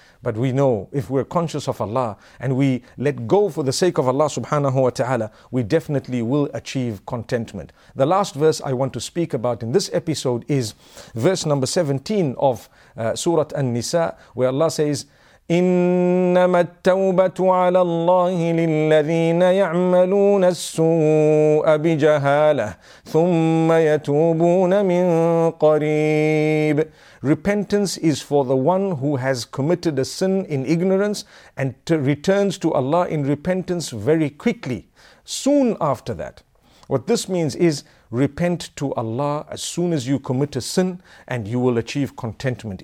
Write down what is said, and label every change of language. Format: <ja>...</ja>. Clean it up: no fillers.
<en>But we know if we're conscious of Allah and we let go for the sake of Allah subhanahu wa ta'ala, we definitely will achieve contentment. The last verse I want to speak about in this episode is verse number 17 of Surah An-Nisa, where Allah says,</en> <ar>إنما التوبة على الله للذين يعملون السوء بجهالة ثم يتوبون من قريب.</ar> <en>Repentance is for the one who has committed a sin in ignorance and returns to Allah in repentance very quickly, soon after that. What this means is repent to Allah as soon as you commit a sin and you will achieve contentment.</en>